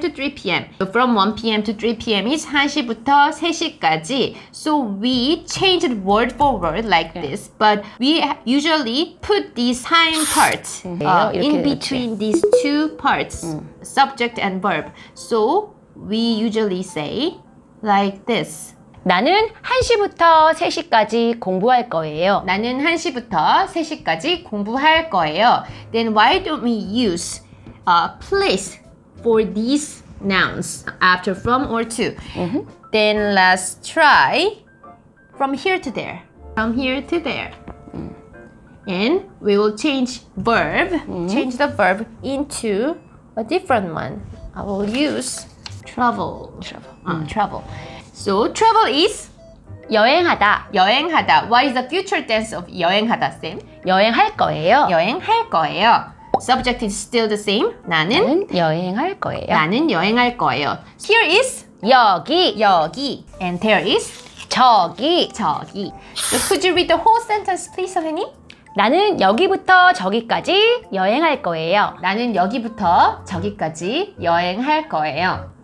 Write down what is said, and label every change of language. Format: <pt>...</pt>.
<en>to 3 p.m. So from 1 p.m. to 3 p.m. is</en> <ko>1시부터 3시까지.</ko> <en>So we changed word for word like this, but we usually put these time parts in between these two parts, subject and verb. So we usually say like this.</en> <ko>나는 1시부터 3시까지 공부할 거예요. 나는 1시부터 3시까지 공부할 거예요.</ko> <en>Then why don't we use place for these nouns after from or to. Then let's try from here to there. From here to there. And we will change verb, change the verb into a different one. I will use travel. Travel. So travel is</en> <ko>여행하다. 여행하다.</ko> <en>What is the future tense of 여행하다, Sam?</en> <ko>여행할 거예요. 여행할 거예요.</ko> <en>Subject is still the same.</en> <ko>나는 여행할 거예요. 나는 여행할 거예요.</ko> <en>Here is</en> <ko>여기. 여기.</ko> <en>And there is</en> <ko>저기. 저기.</ko> <en>So could you read the whole sentence, please, 선생님?</en> <ko>나는 여기부터 저기까지 여행할 거예요. 나는 여기부터 저기까지 여행할 거예요.</ko>